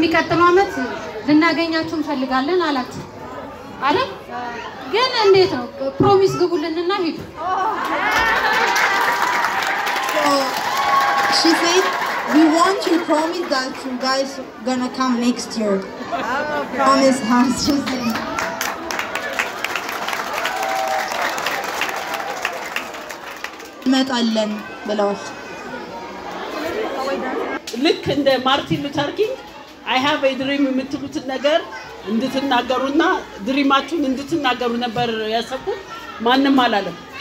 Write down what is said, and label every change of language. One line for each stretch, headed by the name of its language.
Amharic: ተማመት ልናገኛችሁን ፈልጋለን አላት አረ ግን እንዴት ነው ፕሮሚስ ግቡልንና ሂዱ
English: she said we want you promise that you guys gonna come next year promise has she said
Amharic: እንመጣለን ብለዋል ልክ እንደ ማርቲን ሉተር ኪንግ
English: I have a dream
Amharic: የምትሉት ነገር እንድትናገሩና ድሪማችሁን እንድትናገሩ ነበር ያሰብኩት ማንንም አላለም